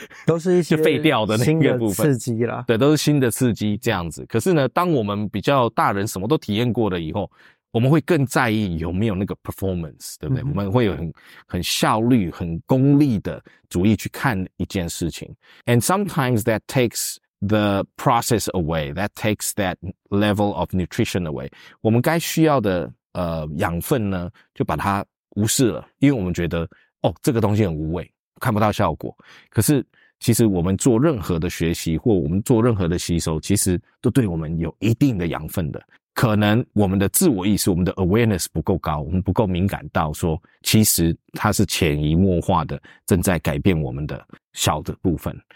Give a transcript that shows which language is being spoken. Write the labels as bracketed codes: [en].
[zh] 都是一些废掉的那个部分，新的刺激啦，对，都是新的刺激这样子。可是呢，当我们比较大人什么都体验过了以后，我们会更在意有没有那个 performance， 对不对？嗯、我们会有很效率、很功利的主义去看一件事情。 [en] And sometimes that takes the process away, that takes that level of nutrition away. [zh] 我们该需要的养分呢，就把它无视了，因为我们觉得哦，这个东西很无味，看不到效果。可是其实我们做任何的学习或我们做任何的吸收，其实都对我们有一定的养分的。可能我们的自我意识，我们的 awareness 不够高，我们不够敏感到说，其实它是潜移默化的正在改变我们的小的部分。